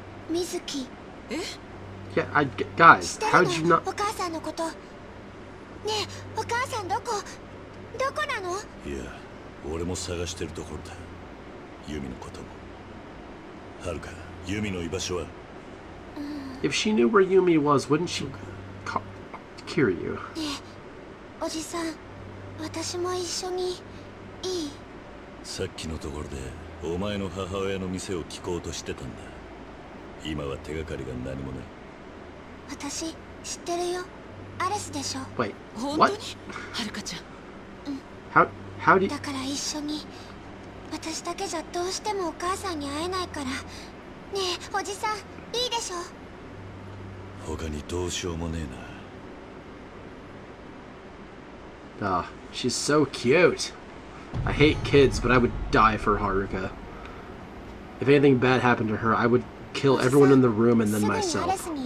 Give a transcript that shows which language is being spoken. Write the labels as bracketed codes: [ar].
[ja] ミズキ。え？ [en] Yeah, I... Guys, how did you not... [ja] お母さんのこと。ねえ、お母さんどこ？どこなの？いや、俺も探してるところだ。ユミのことも。ハルカ、ユミの居場所は？ [en] If she knew where Yumi was, wouldn't she... Kiryu. [ja] ねえ、おじさん、私も一緒に、いい？さっきのところで、お前の母親の店を聞こうとしてたんだ。今は手がかりが何もない。私、知ってるよ。アレスでしょ。 [en] Wait, what? [ja] 本当に？ハルカちゃん。 [en] How do you... [ja] だから一緒に。私だけじゃどうしてもお母さんに会えないから。ねえ、おじさん、いいでしょ？他にどうしようもねえな。 [en] Ah, she's so cute. I hate kids, but I would die for Haruka. If anything bad happened to her, I would kill everyone in the room and then myself.